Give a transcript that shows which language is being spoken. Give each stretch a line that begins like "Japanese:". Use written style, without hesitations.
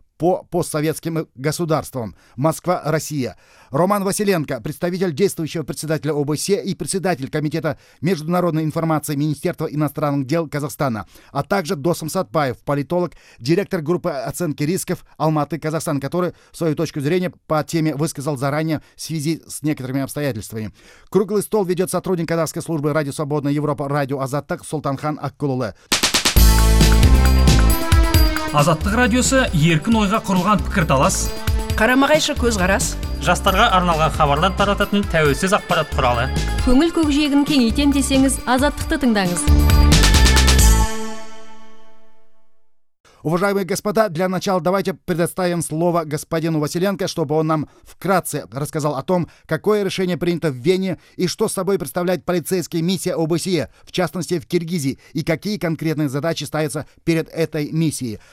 Russian: по постсоветским государствам, Москва, Россия, Роман Василенко, представитель действующего председателя ОБСЕ и председатель комитета международной информации Министерства иностранных дел Казахстана, а также Досым Сатпаев, политолог, директор группы оценки рисков Алматы, Казахстан, который свою точку зрения по теме высказал заранее в связи с некоторыми обстоятельствами. Круглый стол ведет сотрудник казахской службы радио «Свободная Европа», радио «Азаттык», Сұлтанхан Аққұлұлы.
Kazakh: Азаттық радиосы еркін ойға құрылған пікірталас. Қарама-қайшы көзқарас. Жастарға арналған хабарлар тарататын тәуелсіз ақпарат құралы. Көңіл көкжиегін кеңейтем десеңіз, Азаттықты тыңдаңыз.
Russian: Уважаемые господа, для начала давайте предоставим слово господину Василенко, чтобы он нам вкратце рассказал о том, какое решение принято в Вене и что собой представляет полицейская миссия ОБСЕ, в частности в Киргизии, и какие конкретные задачи ставятся перед этой миссией.